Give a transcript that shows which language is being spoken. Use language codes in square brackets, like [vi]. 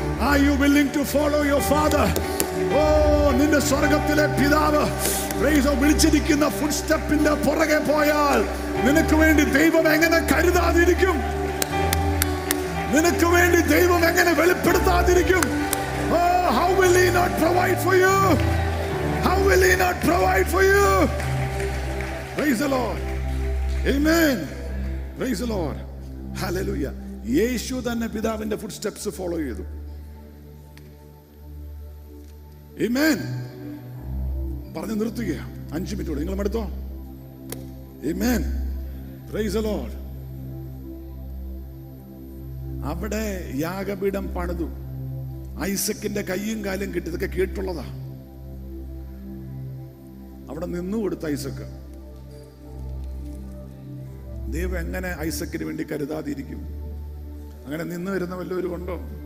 [en] Are you willing to follow your father? [ml] ഓ, നിന്റെ സ്വർഗത്തിലെ പിതാവ് വിളിച്ചിരിക്കുന്ന ഫുട് സ്റ്റെപ്പിന്റെ പുറകെ പോയാൽ നിനക്ക് വേണ്ടി ദൈവം എങ്ങനെ കരുതാതിരിക്കും? നിനക്ക് വേണ്ടി ദൈവം എങ്ങനെ വെളിപ്പെടുത്താതിരിക്കും? [en] Oh, how will he not provide for you? How will he not provide for you? Praise the Lord. Amen. Praise the lord [ml] hallelujah യേശു തന്നെ പിതാവിന്റെ ഫുട്സ്റ്റെപ്സ് ഫോളോ ചെയ്തു ആമേൻ പറഞ്ഞു നിർത്തുക അഞ്ച് മിനിറ്റോട് നിങ്ങൾ മടുത്തോ ആമേൻ [en] praise the lord [ml] അവിടെ യാഗപീഠം പണിതു ഐസക്കിന്റെ കയ്യും കാലും കിട്ടിയതൊക്കെ കേട്ടുള്ളതാ അവിടെ നിന്നു കൊടുത്ത ഐസക്ക് ദൈവം എങ്ങനെ ഐസക്കിന് വേണ്ടി കരുതാതിരിക്കും അങ്ങനെ നിന്ന് വരുന്ന വല്ലവരും ഉണ്ടോ